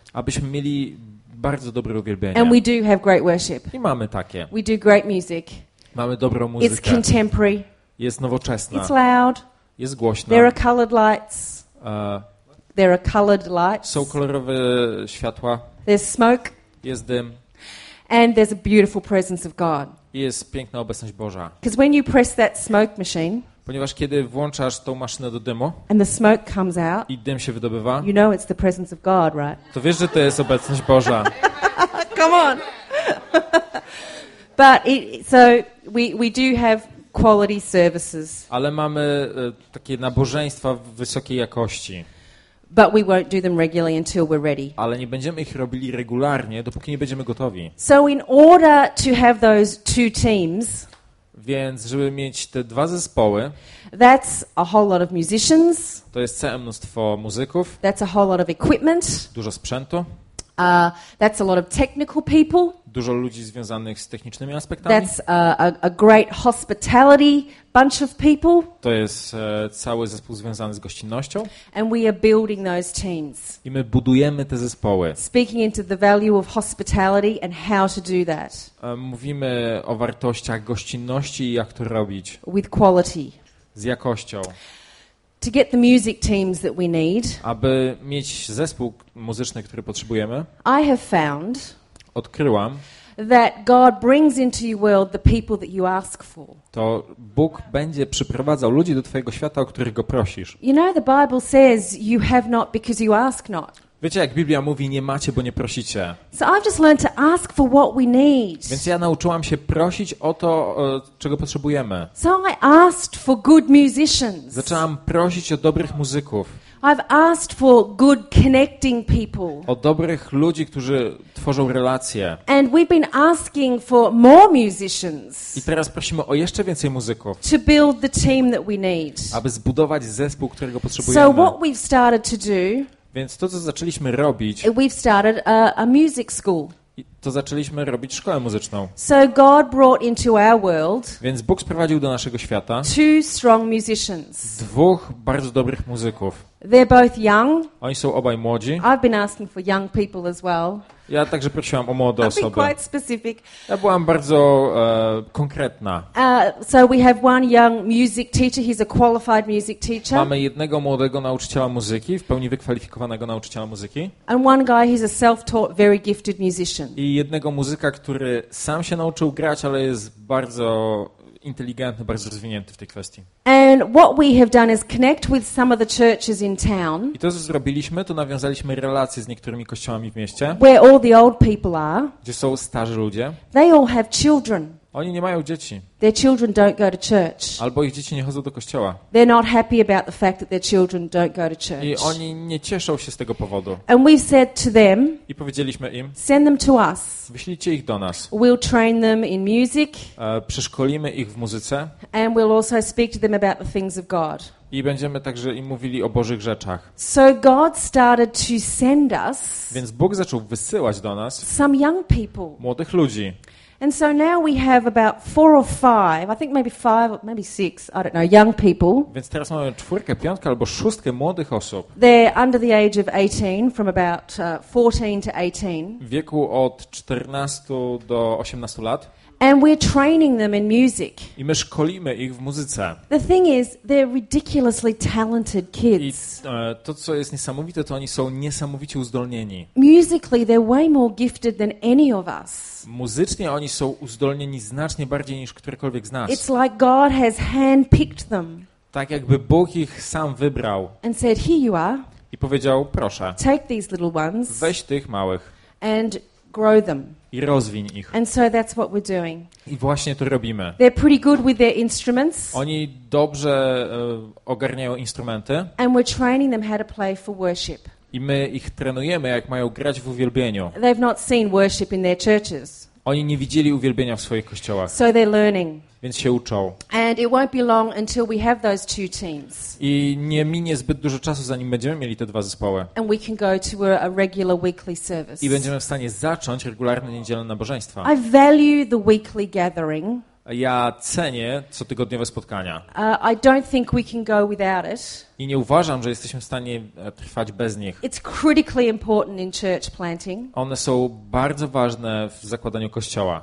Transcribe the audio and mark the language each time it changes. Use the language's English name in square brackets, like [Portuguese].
[Polish] Abyśmy mieli bardzo dobre uwielbienie. [English] And we do have great worship. [Polish] I mamy takie. [English] We do great music. [Polish] Mamy dobrą muzykę. [English] It's contemporary. [Polish] Jest nowoczesna. [English] It's loud. [Polish] Jest głośno. [English] There are colored lights. There are colored lights. [Polish] Są kolorowe światła. [English] There's smoke. [Polish] Jest dym. [English] And there's a beautiful presence of God. [Polish] Jest piękna obecność Boża. [English] Because when you press that smoke machine, [Polish] ponieważ kiedy włączasz tą maszynę do dymu, [English] and the smoke comes out, [Polish] i dym się wydobywa, [English] you know it's the presence of God, right? [Polish] To wiesz, że to jest obecność Boża. [English] Come on. But it, so we do have quality services. [Polish] Ale mamy takie nabożeństwa wysokiej jakości. [English] But we won't do them regularly until we're ready. [Polish] Ale nie będziemy ich robili regularnie, dopóki nie będziemy gotowi. [English] So in order to have those two teams, [Polish] więc żeby mieć te dwa zespoły, [English] that's a whole lot of musicians, [Polish] to jest całe mnóstwo muzyków, [English] that's a whole lot of equipment, [Polish] dużo sprzętu, [English] that's a lot of technical people, [Polish] dużo ludzi związanych z technicznymi aspektami, [English] that's a great hospitality bunch of people, [Polish] to jest cały zespół związany z gościnnością, [English] and we are building those teams, [Polish] i my budujemy te zespoły, [English] speaking into the value of hospitality and how to do that, [Polish] mówimy o wartościach gościnności i jak to robić, [English] with quality, [Polish] z jakością. [English] To get the music teams that we need, [Polish] aby mieć zespół muzyczny, który potrzebujemy, [English] I have found, [Polish] odkryłam, [English] that God brings into your world the people that you ask for. [Polish] To Bóg będzie przyprowadzał ludzi do twojego świata, o których go prosisz. [English] You know the Bible says you have not because you ask not. [Polish] Wiecie, jak Biblia mówi, nie macie, bo nie prosicie. [English] So I've just learned to ask for what we need. [Polish] Więc ja nauczyłam się prosić o to, czego potrzebujemy. [English] So I asked for good musicians. [Polish] Zaczęłam prosić o dobrych muzyków. [English] I've asked for good connecting people. [Polish] O dobrych ludzi, którzy tworzą relacje. [English] And we've been asking for more musicians. [Polish] I teraz prosimy o jeszcze więcej muzyków. [English] To build the team that we need. [Polish] Aby zbudować zespół, którego potrzebujemy. [English] So what we've started to do, [Polish] więc to, co zaczęliśmy robić, [English] we've started a music school. [Polish] To zaczęliśmy robić szkołę muzyczną. [English] So God brought into our world, [Polish] więc Bóg sprowadził do naszego świata [English] two strong musicians. [Polish] Dwóch bardzo dobrych muzyków. [English] They're both young. [Polish] Oni są obaj młodzi. [English] I've been asking for young people as well. [Polish] Ja także prosiłam o młode osoby. [English] I've been quite specific. [Polish] Ja byłam bardzo konkretna. [English] So we have one young music teacher. He's a qualified music teacher. [Polish] Mamy jednego młodego nauczyciela muzyki, w pełni wykwalifikowanego nauczyciela muzyki. [English] And one guy, he's a self-taught, very gifted musician. [Polish] I jednego muzyka, który sam się nauczył grać, ale jest bardzo inteligentny, bardzo rozwinięty w tej kwestii. [English] And what we have done is connect with some of the churches in town. [Polish] I to, co zrobiliśmy, to nawiązaliśmy relacje z niektórymi kościołami w mieście. [English] Where all the old people are. [Polish] Gdzie są starzy ludzie. [English] They all have children. [Polish] Oni nie mają dzieci. [English] Their children don't go to church. [Polish] Albo ich dzieci nie chodzą do kościoła. [English] They're not happy about the fact that their children don't go to church. [Polish] I oni nie cieszą się z tego powodu. [English] And we've said to them. [Polish] I powiedzieliśmy im. [English] Send them to us. [Polish] Wyślijcie ich do nas. [English] We'll train them in music. [Polish] Przeszkolimy ich w muzyce. [English] And we'll also speak to them about the things of God. [Polish] I będziemy także im mówili o Bożych rzeczach. [English] So God started to send us. [Polish] Więc Bóg zaczął wysyłać do nas. [English] Some young people. [Polish] Młodych ludzi. [English] And so now we have about four or five, I think maybe five, or maybe six, I don't know, young people. [Polish] Więc teraz mamy czwórkę, piątkę albo szóstkę młodych osób. [English] They're under the age of 18, from about 14 to 18. [Polish] W wieku od 14 do 18 lat. [English] And we're training them in music. [Polish] I my szkolimy ich w muzyce. [English] The thing is, they're ridiculously talented kids. [Polish] To, co jest niesamowite, to oni są niesamowicie uzdolnieni. [English] Musically, they're way more gifted than any of us. [Polish] Muzycznie oni są uzdolnieni znacznie bardziej niż którykolwiek z nas. [English] It's like God has handpicked them. [Polish] Tak jakby Bóg ich sam wybrał. [English] And said, "Here you are." [Polish] I powiedział, proszę. [English] Take these little ones. [Polish] Weź tych małych. [English] And grow them. [Polish] I rozwiń ich. [English] And so that's what we're doing. [Polish] I właśnie to robimy. [English] They're pretty good with their instruments. [Polish] Oni dobrze ogarniają instrumenty. [English] And we're training them how to play for worship. [Polish] I my ich trenujemy, jak mają grać w uwielbieniu. [English] They've not seen worship in their churches. [Polish] Oni nie widzieli uwielbienia w swoich kościołach. [English] So they're learning. [Polish] Więc się uczą. [English] And it won't be long until we have those two teams. [Polish] I nie minie zbyt dużo czasu, zanim będziemy mieli te dwa zespoły. [English] And we can go to a regular weekly service. [Polish] I będziemy w stanie zacząć regularne niedzielne nabożeństwa. [English] I value the weekly gathering. [Polish] Ja cenię cotygodniowe spotkania. [English] I don't think we can go without it. [Polish] I nie uważam, że jesteśmy w stanie trwać bez nich. [English] It's critically important in church planting. [Polish] One są bardzo ważne w zakładaniu kościoła.